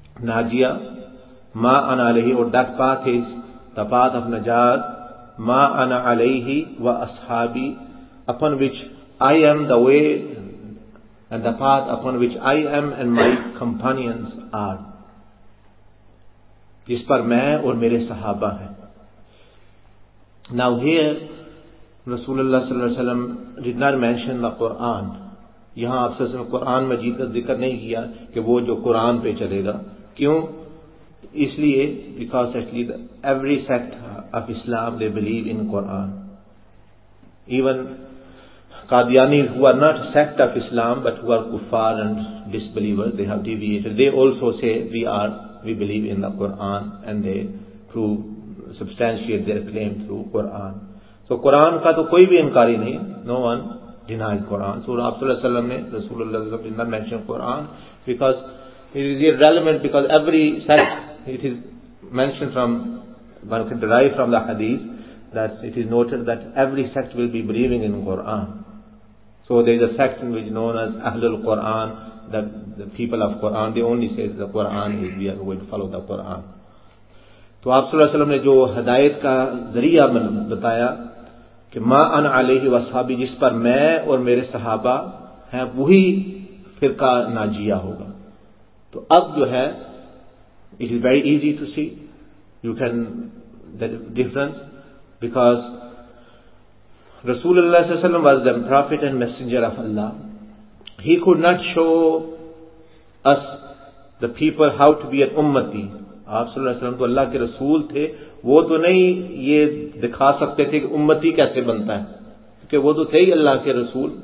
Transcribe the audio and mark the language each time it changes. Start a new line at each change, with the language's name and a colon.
English: ناجیہ ما انا علیہ اور that path is the path of نجات
Arabic: ما انا علیہ و اصحابی
English: upon which I am the way and the path upon which I am and my companions are
Urdu: جس پر میں اور میرے صحابہ ہیں
English: Now here, Rasulullah sallallahu alaihi wasallam did not mention the Quran.
Urdu: یہاں آپ نے قرآن مجید کا ذکر نہیں کیا کہ وہ جو قرآن پہ چلے گا کیوں اس لیے
English: because actually every sect of Islam they believe in Quran. Even Qadiani who are not sect of Islam but who are kuffar and disbelievers they have deviated. They also say we believe in the Quran and they prove substantiate their claim through Quran.
Urdu: So Quran ka to koi bhi inkari nahi.
English: No one denied Quran. So Rasulullah sallallahu alaihi wasallam ne Rasulullah sallallahu alaihi wasallam mentioned Quran because it is irrelevant because every sect it is mentioned from one can derive from the hadith that it is noted that every sect will be believing in Quran. So there is a sect which is known as Ahlul Quran that the people of Quran they only say the Quran is we are going to follow the Quran.
Urdu: تو آپ صلی اللہ علیہ وسلم نے جو ہدایت کا ذریعہ بتایا کہ
Arabic: ما ان علیہ و صحابی
Urdu: جس پر میں اور میرے صحابہ ہیں وہی فرقہ ناجیہ ہوگا تو اب جو ہے
English: it is very easy to see you can the difference because رسول اللہ صلی اللہ علیہ وسلم was the prophet and messenger of Allah He could not show us the people how to be an ummati.
Urdu: آپ صلی اللہ علیہ وسلم تو اللہ کے رسول تھے, وہ تو نہیں یہ دکھا سکتے تھے کہ امتی کیسے بنتا ہے, کیونکہ وہ تو تھے ہی اللہ کے رسول.